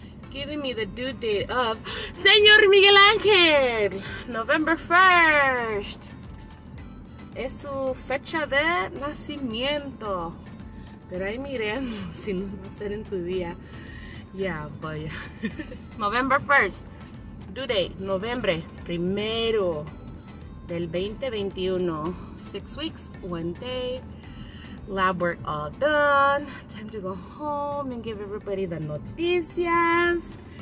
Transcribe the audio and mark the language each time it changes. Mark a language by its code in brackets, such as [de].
[en] Giving me the due date of Señor Miguel Ángel, November 1st. [es] Es su fecha de nacimiento. Pero ahí miren, si no va a ser en tu día. [en] Yeah, but yeah. November 1st. Due date, November 1st [es] del [en] 2021. 6 weeks, 1 day. Lab work all done. Time to go home and give everybody the noticias.